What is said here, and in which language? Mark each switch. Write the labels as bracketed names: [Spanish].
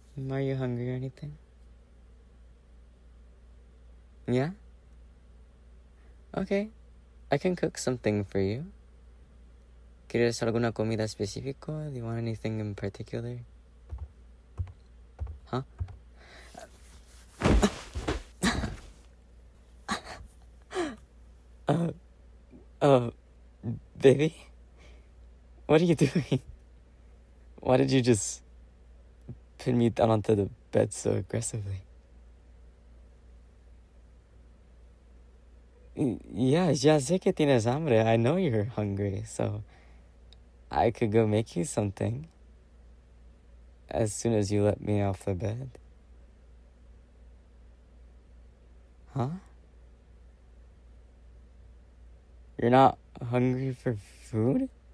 [English] Are you hungry or anything? Yeah? Okay. I can cook something for you. [Spanish] ¿Quieres alguna comida específica? [English] Do you want anything in particular? Huh? Baby? What are you doing? Why did you just pin me down onto the bed so aggressively? [Spanish] Yeah, ya sé que tienes hambre. [English] I know you're hungry, so I could go make you something as soon as you let me off the bed. Huh? You're not hungry for food?